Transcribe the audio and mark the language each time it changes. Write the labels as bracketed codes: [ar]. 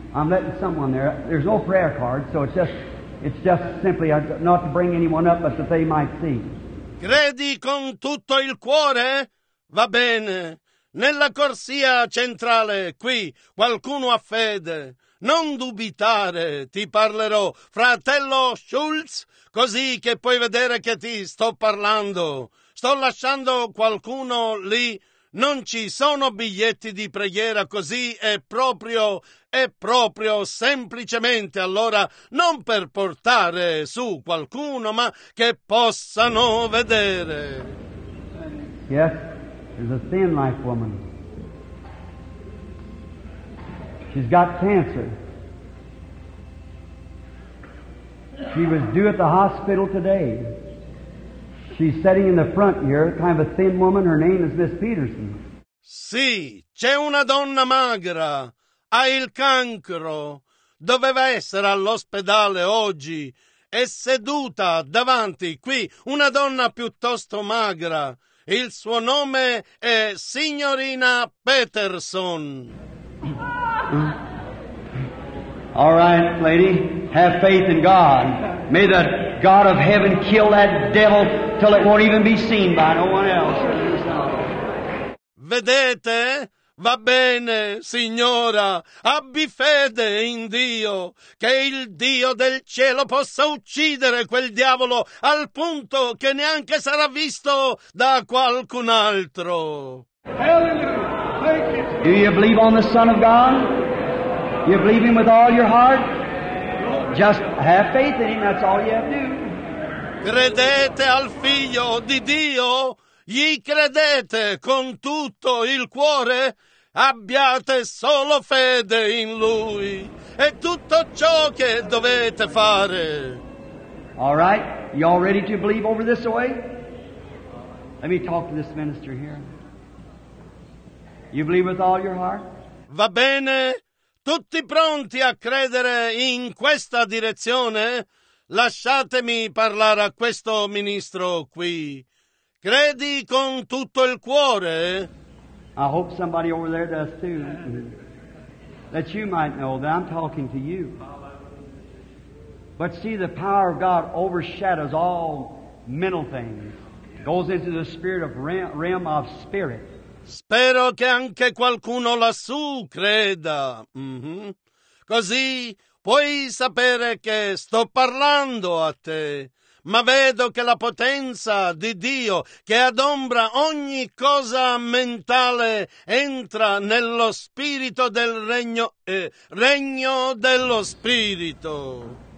[en] I'm letting someone there. There's no prayer card, so it's just simply not to bring anyone up, but that they might see. [it] Credi con tutto il cuore? Va bene. Nella corsia centrale, qui, qualcuno ha fede. Non dubitare, ti parlerò, fratello Schultz, così che puoi vedere che ti sto parlando. Sto lasciando qualcuno lì. Non ci sono biglietti di preghiera, così è proprio semplicemente, allora, non per portare su qualcuno, ma che possano vedere. [en] Yes, there's a thin life woman. She's got cancer. She was due at the hospital today. She's sitting in the front here, kind of a thin woman. Her name is Miss Peterson. [it] Sì, c'è una donna magra. Ha il cancro. Doveva essere all'ospedale oggi. È seduta davanti qui una donna piuttosto magra. Il suo nome è signorina Peterson. [en] All right, lady, have faith in God. May the God of heaven kill that devil till it won't even be seen by no one else. [it] Vedete? Va bene, signora, abbi fede in Dio, che il Dio del cielo possa uccidere quel diavolo al punto che neanche sarà visto da qualcun altro. [en] Do you believe on the Son of God? You believe him with all your heart? Just have faith in him, that's all you have to do. [it] Credete al Figlio di Dio? Gli credete con tutto il cuore? Abbiate solo fede in Lui. È tutto ciò che dovete fare. [en] All right. You all ready to believe over this way? Let me talk to this minister here. You believe with all your heart? [it] Va bene. Tutti pronti a credere in questa direzione? Lasciatemi parlare a questo ministro qui. Credi con tutto il cuore? [en] I hope somebody over there does too. That you might know that I'm talking to you. But see, the power of God overshadows all mental things. Goes into the spirit of realm of spirit. [it] Spero che anche qualcuno lassù creda. Così puoi sapere che sto parlando a te. Ma vedo che la potenza di Dio che adombra ogni cosa mentale entra nello spirito del regno, regno dello spirito.